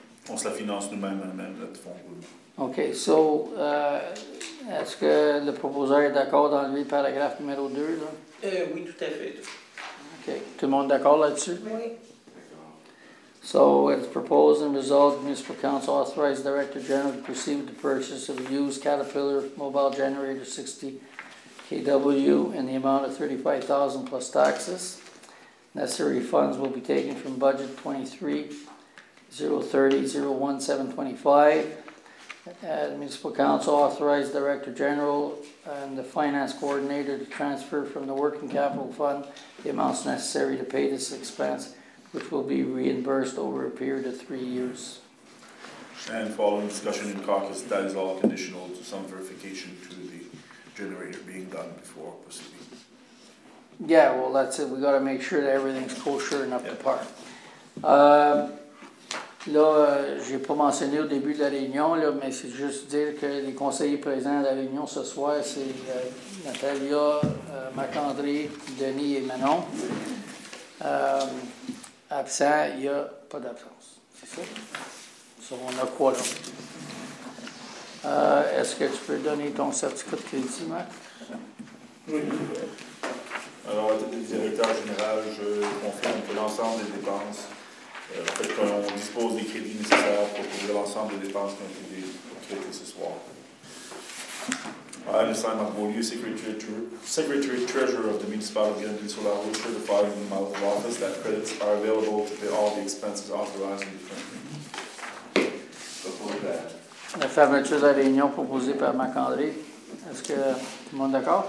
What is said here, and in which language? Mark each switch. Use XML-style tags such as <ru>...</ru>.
<fr>On se la finance nous-mêmes, notre fonds. OK. So, est-ce que le proposeur est d'accord d'enlever le paragraphe numéro 2, là? Oui, tout à fait. OK. Tout le monde d'accord là-dessus? Oui.</fr> <en>So, it's proposed and resolved the Municipal Council authorize the Director General to proceed with the purchase of a used Caterpillar mobile generator 60 kW in the amount of $35,000 plus taxes. Necessary funds will be taken from budget 23-030-01725. The Municipal Council authorized Director General and the Finance Coordinator to transfer from the Working Capital Fund the amounts necessary to pay this expense, which will be reimbursed over a period of 3 years. And following discussion in caucus, that is all conditional to some verification to the generator being done before proceeding. Yeah, well, that's it. We got to make sure that everything's kosher and up to par.</en> <fr>Là, j'ai pas mentionné au début de la réunion, là, mais c'est juste dire que les conseillers présents à la réunion ce soir, c'est Natalia, Marc-André, Denis et Manon. Absent, il n'y a pas d'absence. C'est ça? Ça, on a quoi là? Est-ce que tu peux donner ton certificat de crédit, Marc? Oui. Alors, directeur général, je confirme que l'ensemble des dépenses, en fait, qu'on dispose des crédits nécessaires pour couvrir l'ensemble des dépenses qui ont été créées ce soir.</fr> <en>I'm Sam Marbeau, Secretary Treasurer of the Municipality of Gandhi-sur-la-Route, certified in the mouth of office that credits are available to pay all the expenses authorized in the front.</en> <fr>La fermeture de la réunion proposée par Marc-André. Est-ce que tout le monde est d'accord?</fr>